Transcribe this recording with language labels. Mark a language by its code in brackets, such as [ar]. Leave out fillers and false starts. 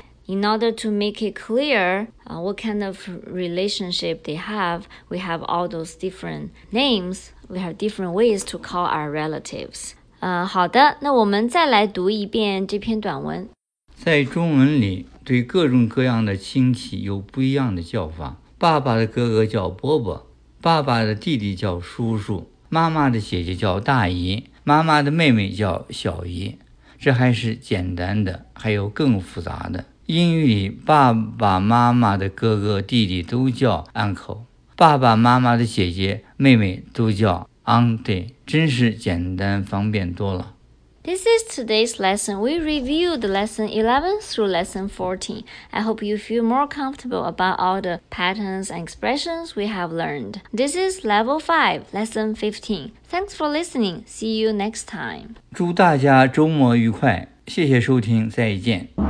[en] In order to make it clear what kind of relationship they have, we have all those different names. We have different ways to call our relatives. [zh] 好的，那我们再来读一遍这篇短文。在中文里，对各种各样的亲戚有不一样的叫法。爸爸的哥哥叫伯伯，爸爸的弟弟叫叔叔，妈妈的姐姐叫大姨，妈妈的妹妹叫小姨。这还是简单的，还有更复杂的。英语里，爸爸妈妈的哥哥弟弟都叫 uncle， 爸爸妈妈的姐姐妹妹都叫 auntie， 真是简单方便多了。 [en] This is today's lesson. We reviewed lesson 11 through lesson 14. I hope you feel more comfortable about all the patterns and expressions we have learned. This is level 5, lesson 15. Thanks for listening. See you next time. [zh] 祝大家周末愉快，谢谢收听，再见。